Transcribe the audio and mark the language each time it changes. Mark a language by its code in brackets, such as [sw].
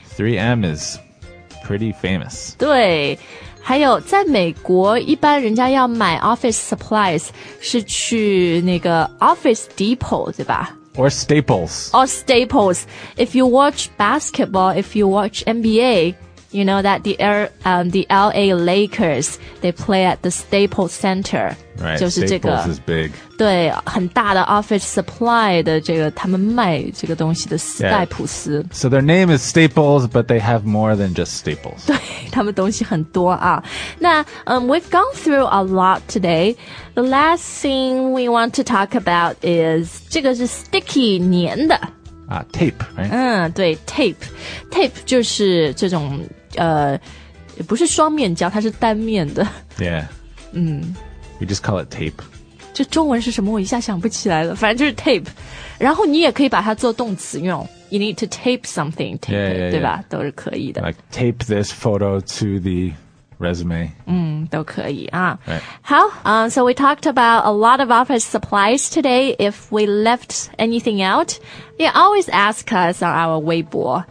[en] 3M is pretty famous. [zh] 对，还有在美国，一般人家要买 office supplies 是去那个 Office Depot, 对吧？ [en] Or Staples. Or Staples. If you watch basketball, if you watch NBA, you know that the LA Lakers, they play at the Staples Center. Right, [zh] 就是这个, [en] Staples is big. [zh] 对,很大的 office supply 的这个,他们卖这个东西的斯代普斯。 [en] Yeah. So their name is Staples, but they have more than just Staples. [zh] 对,他们东西很多啊。那, [en] we've gone through a lot today. The last thing we want to talk about is, [zh] 这个是 [en] sticky, [zh] 粘的。 [en] Tape, right? [zh] 对 ,tape. Tape 就是这种不是双面胶它是单面的。 [en] Yeah. We just call it tape. [zh] 这中文是什么我一下想不起来了反正就是 tape. 然后你也可以把它做动词用。 [en] You need to tape something, tape yeah, it, yeah, [zh] 对吧、 [en] yeah. [zh] 都是可以的。 [en] Like tape this photo to the resume. [zh] 都可以啊。 [en] Right. [zh] 好、 [en] so we talked about a lot of office supplies today. If we left anything out,Yeah, always ask us on our Weibo.